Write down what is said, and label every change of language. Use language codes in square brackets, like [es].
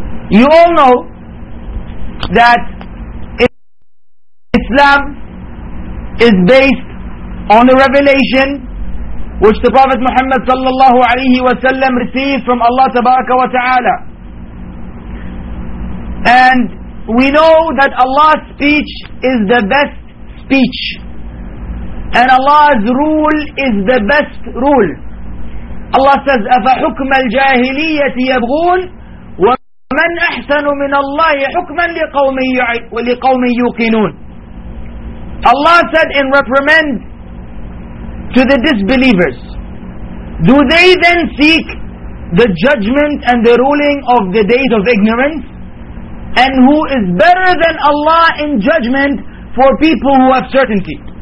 [en] You all know that Islam is based on a revelation which the Prophet Muhammad sallallahu alayhi wa sallam received from Allah tabaraka wa ta'ala. And we know that Allah's speech is the best speech. And Allah's rule is the best rule. Allah says, [ar] أَفَحُكْمَ الْجَاهِلِيَّةِ يَبْغُونَ وَمَنْ أَحْسَنُ مِنَ اللَّهِ حُكْمًا لِقَوْمٍ يُوقِنُونَ. [en] Allah said in reprimand to the disbelievers, do they then seek the judgment and the ruling of the days of ignorance? And who is better than Allah in judgment for people who have certainty?